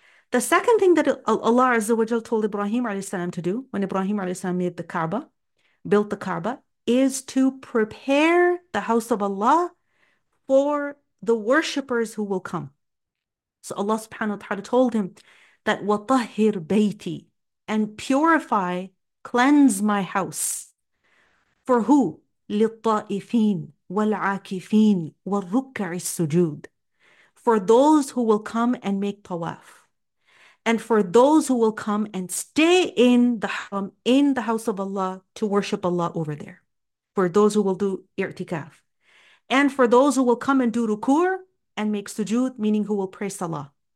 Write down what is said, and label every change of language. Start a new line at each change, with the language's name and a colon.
English: The second thing that Allah Azza wa Jal told Ibrahim alayhi salam to do when Ibrahim alayhi salam made the Kaaba, built the Kaaba, is to prepare the house of Allah for the worshippers who will come. So Allah subhanahu wa ta'ala told him that
Arabic: وَطَهِّرْ بَيْتِي,
English: and purify, cleanse my house. For who?
Arabic: للطائفين والعاكفين والركع السجود.
English: For those who will come and make tawaf. And for those who will come and stay in the house of Allah to worship Allah over there. For those who will do i'tikaf. And for those who will come and do rukur and make sujood, meaning who will pray salah.